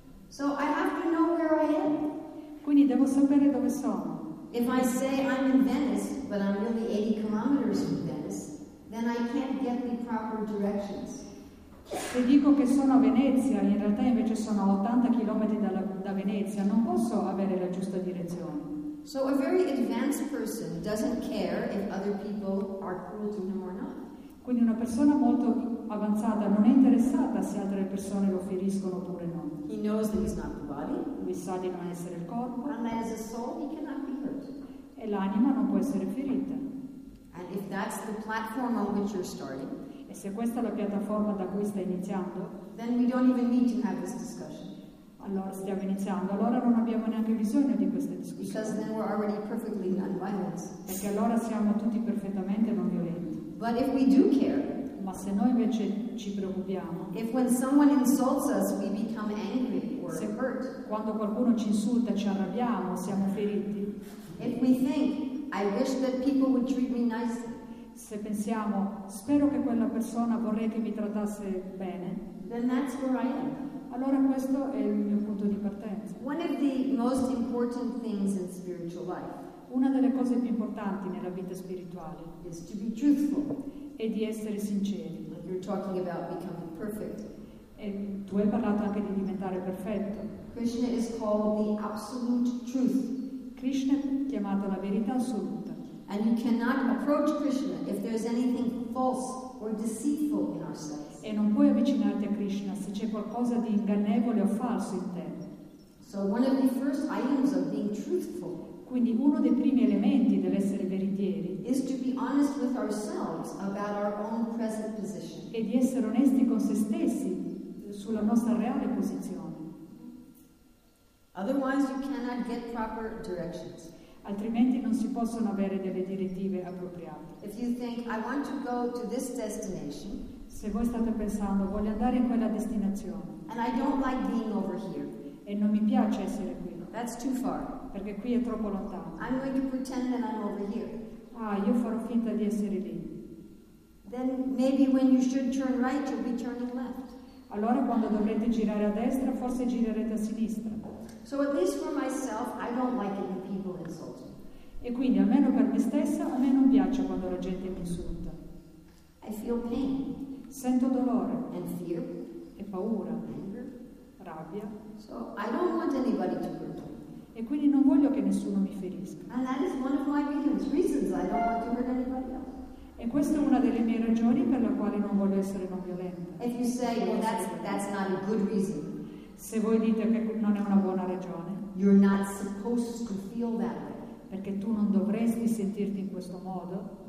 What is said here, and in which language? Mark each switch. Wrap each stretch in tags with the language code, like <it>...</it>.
<en>So I have to know where I am.</en> <it>Quindi devo sapere dove sono.</it> <en>If I say I'm in Venice, but I'm really 80 kilometers from Venice, then I can't get the proper directions.</en> <it>Se dico che sono a Venezia, in realtà invece sono 80 km da Venezia, non posso avere la giusta direzione.</it> <en>So a very advanced person doesn't care if other people are cruel to him or not.</en> <it>Quindi una persona molto avanzata non è interessata se altre persone lo feriscono oppure no.</it> <en>He knows that he's not the body.</en> <it>Lui sa di non essere il corpo.</it> <en>And that as a soul, he cannot be hurt.</en> <it>E l'anima non può essere ferita.</it> <en>And if that's the platform on which you're starting,</en> <it>e se questa è la piattaforma da cui stai iniziando,</it> <en>then we don't even need to have this discussion.</en> <it>Allora stiamo iniziando, allora non abbiamo neanche bisogno di questa discussione.</it> <en>Because then we're already perfectly non-violent.</en> <it>Perché allora siamo tutti perfettamente non violenti.</it> <en>But if we do care,</en> <it>ma se noi invece ci preoccupiamo,</it> <en>if when someone insults us we become angry or</en> <it>se</it> <en>hurt,</en> <it>quando qualcuno ci insulta ci arrabbiamo, siamo feriti.</it> <en>If we think, I wish that people would treat me nicely,</en> <it>se pensiamo, spero che quella persona vorrei che mi trattasse bene,</it> <en>then that's where I am.</en> <it>Allora questo è il mio punto di partenza.</it> <en>One of the most important things in spiritual life,</en> <it>una delle cose più importanti nella vita spirituale,</it> <en>is to be truthful,</en> <it>è di essere sinceri.</it> <en>You're talking about becoming perfect.</en> <it>E tu hai parlato anche di diventare perfetto.</it> <en>Krishna is called the absolute truth.</en> <it>Krishna è chiamato la verità assoluta.</it> <en>And you cannot approach Krishna if there's anything false or deceitful in ourselves.</en> <it>E non puoi avvicinarti a Krishna se c'è qualcosa di ingannevole o falso in te.</it> <en>So one of the first items of being truthful,</en> <it>quindi uno dei primi elementi dell'essere veritieri,</it> <en>is to be honest with ourselves about our own present position.</en> <it>È di essere onesti con se stessi sulla nostra reale posizione.</it> <en>Otherwise you cannot get proper directions.</en> <it>Altrimenti non si possono avere delle direttive appropriate.</it> <en>If you think, I want to go to this destination,</en> <it>se voi state pensando, voglio andare in quella destinazione,</it> <en>and I don't like being over here,</en> <it>e non mi piace essere qui,</it> <en>that's too far.</en> <it>Perché qui è troppo lontano.</it> <en>I'm going to pretend that I'm over here.</en> <it>Ah, io farò finta di essere lì.</it> <en>Then maybe when you should turn right, you'll be turning left.</en> <it>Allora quando dovrete girare a destra, forse girerete a sinistra.</it> <en>So at least for myself, I don't like it when people insult me.</en> <it>E quindi almeno per me stessa, a me non piace quando la gente mi insulta.</it> <en>I feel pain.</en> <it>Sento dolore.</it> <en>And fear.</en> <it>E paura.</it> <en>Anger.</en> <it>Rabbia.</it> <en>So I don't want anybody to hurt.</en> <it>E quindi non voglio che nessuno mi ferisca.</it> <en>And that is one of my reasons I don't want to hurt anybody else.</en> <it>E questa è una delle mie ragioni per la quale non voglio essere non violenta.</it> <en>If you say, well, that's not a good reason,</en> <it>se voi dite che non è una buona ragione,</it> <en>you're not supposed to feel that way,</en> <it>perché tu non dovresti sentirti in questo modo,</it>